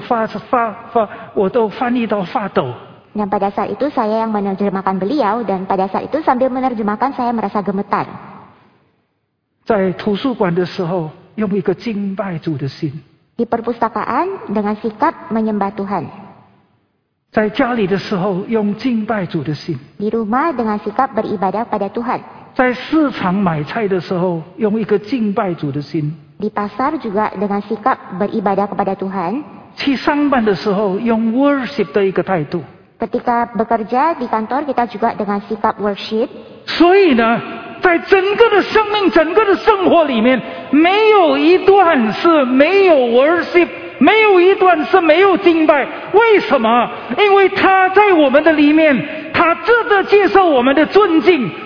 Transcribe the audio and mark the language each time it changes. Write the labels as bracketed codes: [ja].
[zh] 我那个时候替他翻译的时候，我都翻译到发抖。 [id] Dan pada saat itu saya yang menerjemahkan beliau, dan pada saat itu sambil menerjemahkan saya merasa gemetar. [zh] 在图书馆的时候, 用一个敬拜主的心, [id] di perpustakaan dengan sikap menyembah Tuhan. [zh] 在家里的时候, 用敬拜主的心, [id] di rumah dengan sikap beribadah pada Tuhan. [zh] 在市场买菜的时候, 用一个敬拜主的心, [id] di pasar juga dengan sikap beribadah kepada Tuhan. [zh] 去上班的时候, 用worship的一个态度. [id] Ketika bekerja di kantor, kita juga dengan sikap worship. [zh] 所以呢, 在整个的生命, 整个的生活里面, 没有一段是没有worship, 没有一段是没有敬拜。为什么? 因为他在我们的里面, 他值得接受我们的尊敬。